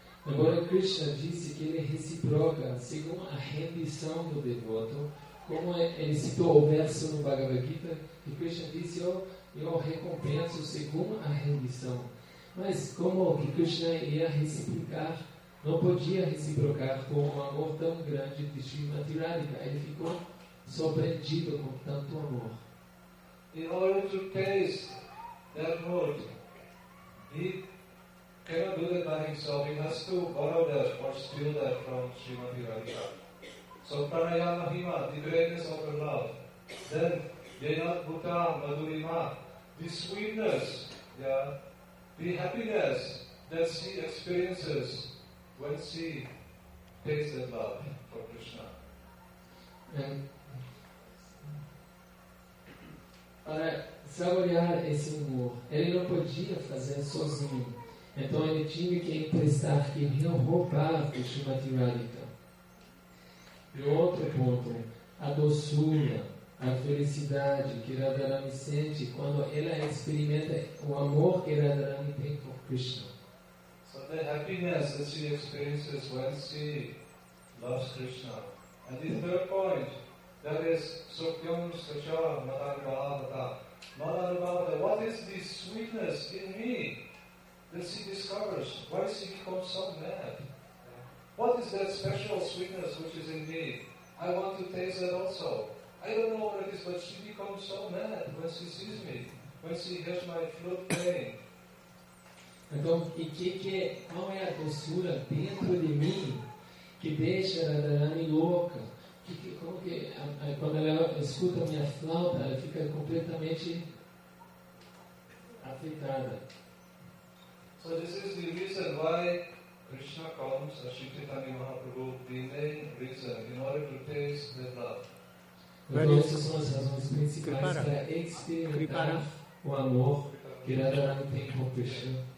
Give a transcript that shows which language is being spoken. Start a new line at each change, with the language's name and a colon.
Portuguese: Agora, Krishna disse que ele reciproca, segundo a rendição do devoto, como ele citou o verso no Bhagavad Gita, que Krishna disse, eu recompenso segundo a rendição. Mas como que Krishna ia reciprocar, não podia reciprocar com um amor tão grande de Srimati Radhika? Ele ficou surpreendido com tanto amor.
English: In order to taste that mood, he cannot do that by himself. He has to borrow that or steal that from Srimati Radhika. So Pranayama Hima, the greatness of her love. Then Yenat Bhuta Madhurima, the sweetness, the happiness that she experiences when she tastes that love for Krishna.
Portuguese: Para saborear esse humor, ele não podia fazer sozinho. Então ele tinha que emprestar, que ele não roubava o Srimati Radhika. E outro ponto, a doçura, a felicidade que Radharani sente quando ela experimenta o amor que Radharani tem por Krishna.
English: So the happiness that she experiences when she loves Krishna. And the third point, that is Sukhyam Sachar Madanubhavata. Madanubhavata, what is this sweetness in me that she discovers? Why does she become so mad? What is that special sweetness which is in me? I want to taste that also. I don't know what it is, but she becomes so mad when she sees me, when she hears my flute playing.
Portuguese: Então, qual é a doçura dentro de mim que deixa a Radharani louca? Como que a aí quando ela escuta minha flauta, ela fica completamente afetada.
English: So this is the reason why Krishna comes, Shri Chaitanya Mahaprabhu, the main reason, in order to taste the love.
Portuguese: Então, essas são as razões principais para experimentar o amor que Radharani tem por Krishna.